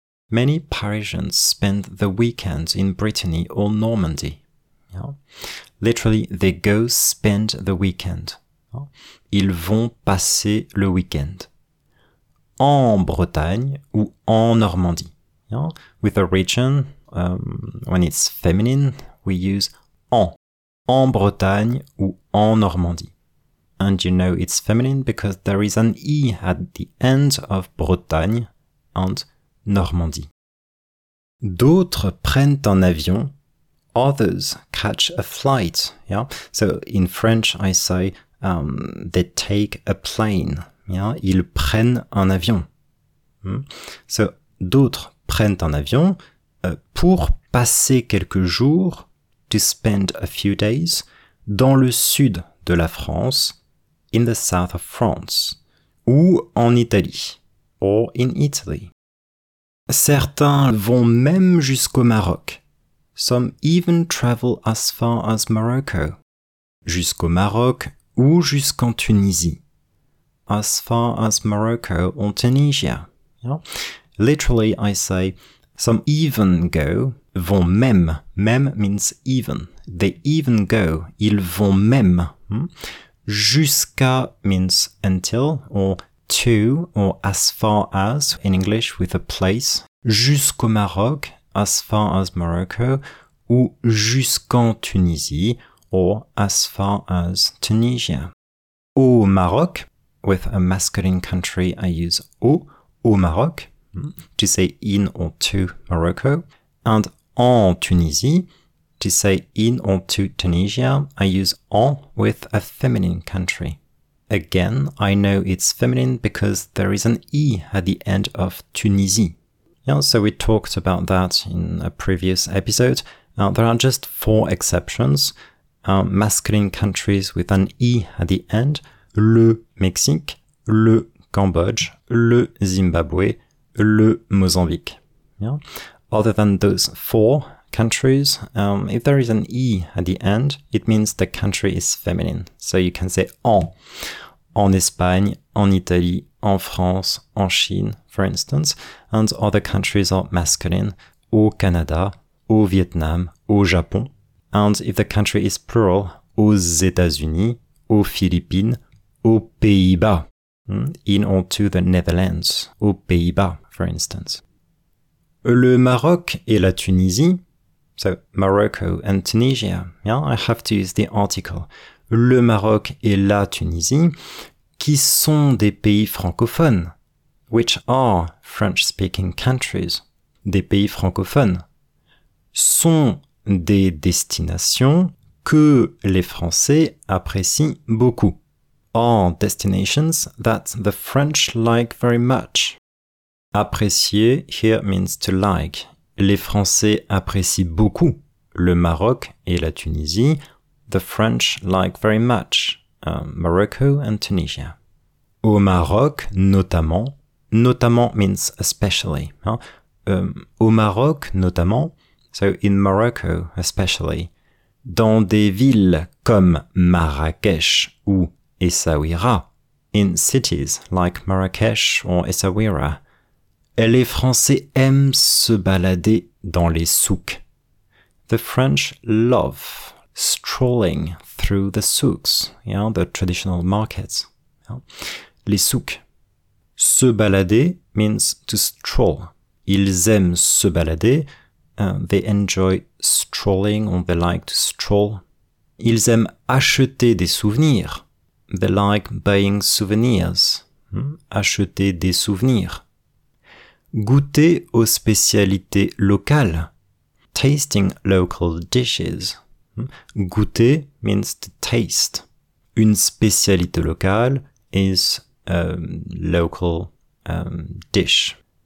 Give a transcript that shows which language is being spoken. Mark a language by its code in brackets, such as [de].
[en] Many Parisians spend the weekend in Brittany or Normandy. Yeah. Literally, they go spend the weekend. [fr] Ils vont passer le week-end. En Bretagne ou en Normandie. Yeah. [en] With a region, when it's feminine, we use en. [fr] En Bretagne ou en Normandie. [en] And you know it's feminine because there is an E at the end of Bretagne and Normandie. [fr] D'autres prennent un avion. [en] Others catch a flight, yeah? So, in French, I say, they take a plane, yeah? [fr] Ils prennent un avion. So, d'autres prennent un avion pour passer quelques jours, [en] to spend a few days, [fr] dans le sud de la France, [en] in the south of France, [fr] ou en Italie, [en] or in Italy. [fr] Certains vont même jusqu'au Maroc. [en] Some even travel as far as Morocco. [fr] Jusqu'au Maroc ou jusqu'en Tunisie. [en] As far as Morocco or Tunisia. Yeah. Literally, I say, Some even go, vont même. Même means even. They even go, ils vont même. Jusqu'à means until, or to, or as far as, in English with a place. [fr] Jusqu'au Maroc, [en] as far as Morocco, [fr] ou jusqu'en Tunisie, [en] or as far as Tunisia. Au Maroc, with a masculine country, I use au, au Maroc, to say in or to Morocco. And en Tunisie, to say in or to Tunisia, I use en with a feminine country. Again, I know it's feminine because there is an e at the end of Tunisie. Yeah, so we talked about that in a previous episode. There are just four exceptions. Masculine countries with an e at the end. [fr] Le Mexique, le Cambodge, le Zimbabwe, le Mozambique. Yeah. [en] Other than those four countries, if there is an e at the end, it means the country is feminine. So you can say en. [fr] En Espagne, en Italie, en France, en Chine, [en] for instance. And other countries are masculine. Au Canada, au Vietnam, au Japon. And if the country is plural, aux États-Unis, aux Philippines, aux Pays-Bas. In or to the Netherlands, aux Pays-Bas, for instance. [fr] Le Maroc et la Tunisie. [en] So, Morocco and Tunisia. Yeah, I have to use the article. [fr] Le Maroc et la Tunisie, qui sont des pays francophones. [en] Which are French-speaking countries. [fr] Des pays francophones. Sont des destinations que les Français apprécient beaucoup. [en] Are destinations that the French like very much. Apprécier here means to like. [fr] Les Français apprécient beaucoup le Maroc et la Tunisie. [en] The French like very much Morocco and Tunisia. Au Maroc, notamment. Notamment means especially. Hein? [fr] Au Maroc, notamment. [en] So in Morocco, especially. [fr] Dans des villes comme Marrakech ou Essaouira. [en] In cities like Marrakech or Essaouira. [fr] Les Français aiment se balader dans les souks. [en] The French love strolling through the souks, yeah, the traditional markets. Yeah. Les souks. Se balader means to stroll. [fr] Ils aiment se balader. [en] They enjoy strolling or they like to stroll. [fr] Ils aiment acheter des souvenirs. [en] They like buying souvenirs. [fr] Acheter des souvenirs. Goûter aux spécialités locales. [en] Tasting local dishes. Goûter means to taste. Une spécialité locale is a local dish.